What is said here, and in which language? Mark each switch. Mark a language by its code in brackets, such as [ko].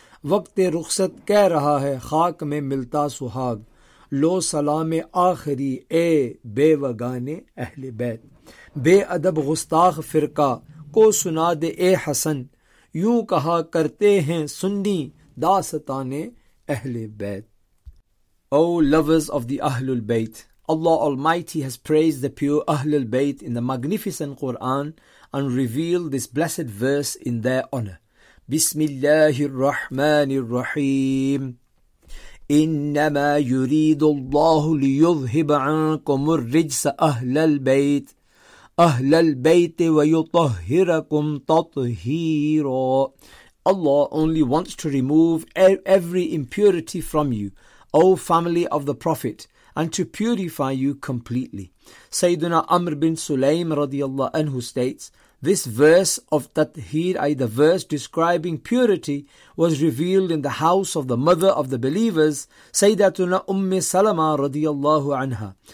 [ur] وقت رخصت کہہ رہا ہے خاک میں ملتا سہاگ لو سلام آخری اے بے وگان اہل بیت بے ادب غستاخ فرقہ کو سنا دے اے حسن یوں کہا کرتے ہیں سنی داستان اہل بیت. [en] O lovers of the Ahlul Bayt, Allah Almighty has praised the pure Ahlul Bayt in the magnificent Quran and revealed this blessed verse in their honor. [ar] بسم الله الرحمن الرحيم. إنما يريد الله ليذهب عنكم الرجس أهل البيت أهل البيت ويطهركم تطهيرا. [en] Allah only wants to remove every impurity from you, O family of the Prophet, and to purify you completely. Sayyiduna Amr bin Sulaym radiyallahu anhu states, this verse of Tathir, i.e. the verse describing purity, was revealed in the house of the mother of the believers, Sayyidatuna Umm Salama radiyallahu anha.